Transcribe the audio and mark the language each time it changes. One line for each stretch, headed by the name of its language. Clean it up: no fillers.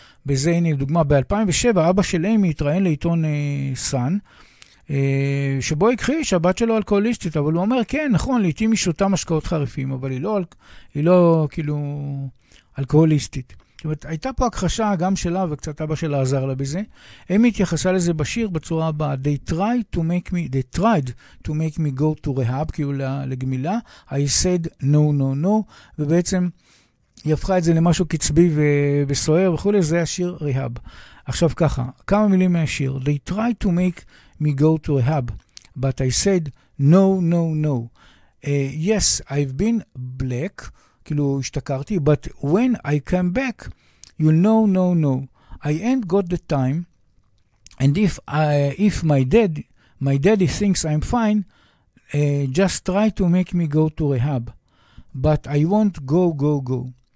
Hebrew: בזה הנה דוגמה, ב-2007 אבא של איימי התראיין לעיתון סן, שבו הכחיש, הבת שלו אלכוהוליסטית, אבל הוא אומר, כן, נכון, לעתים היא שותה משקאות חריפים, אבל היא לא כאילו אלכוהוליסטית. זאת אומרת, הייתה פה הכחשה גם שלה וקצת אבא שלה עזר לה בזה. הם התייחסה לזה בשיר בצורה הבאה.
English: They tried to make me go to rehab,
Hebrew: כאילו לגמילה.
English: I said no, no, no.
Hebrew: ובעצם היא הפכה את זה למשהו קצבי וסוער וכו'. זה השיר רהאב. עכשיו ככה, כמה מילים מהשיר.
English: They try to make me go to rehab, but I said no, no, no. Yes, I've been black,
Hebrew: כאילו השתכרתי,
English: but when I come back, you know, no, no. I ain't got the time, and if my daddy thinks I'm fine, just try to make me go to rehab, but I won't go, go, go.